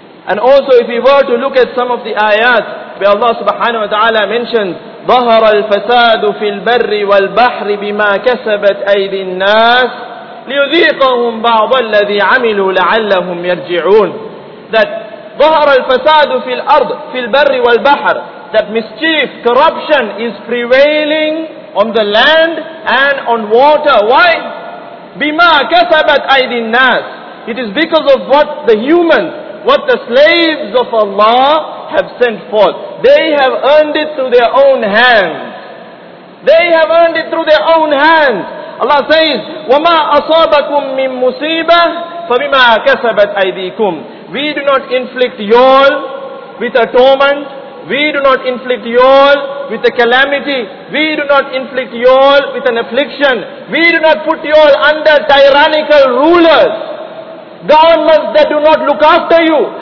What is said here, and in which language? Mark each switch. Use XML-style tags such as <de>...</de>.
<en>And also if we were to look at some of the ayat where Allah subhanahu wa ta'ala mentions,</en> <ar>ظهر الفساد في البر والبحر بما كسبت أيدي الناس ليذيقهم بعض الذي عملوا لعلهم يرجعون. That ظهر الفساد في الأرض في البر والبحر.</ar> <en>That mischief, corruption is prevailing on the land and on water.</en> <ar>Why? بما كسبت أيدي الناس.</ar> <en>It is because of what the humans, what the slaves of Allah have sent forth. They have earned it through their own hands. They have earned it through their own hands. Allah says,</en> <ar>وَمَا أَصَابَكُم مِّن مُّصِيبَةٍ فَبِمَا كَسَبَتْ أَيْدِيكُمْ.</ar> <en>We do not inflict y'all with a torment. We do not inflict y'all with a calamity. We do not inflict y'all with an affliction. We do not put y'all under tyrannical rulers, governments that do not look after you.</en>